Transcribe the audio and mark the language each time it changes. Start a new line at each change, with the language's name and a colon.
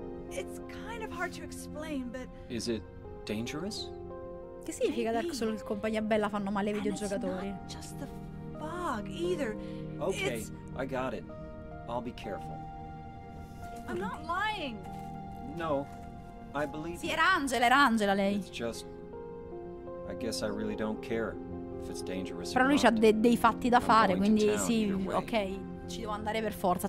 English: It's kind of hard to explain, but... Is it dangerous?
Italian: Che significa Dark Souls e Compagnia Bella fanno male ai videogiocatori?
English: Just the fog, either. Okay, I got it. I'll be careful. I'm not lying. No, I believe...
Italian: Sì, era Angela lei.
English: It's just... I guess I really don't care if it's dangerous.
Italian: Però lui c'ha dei fatti da fare, quindi sì, ok. Ci devo andare per forza.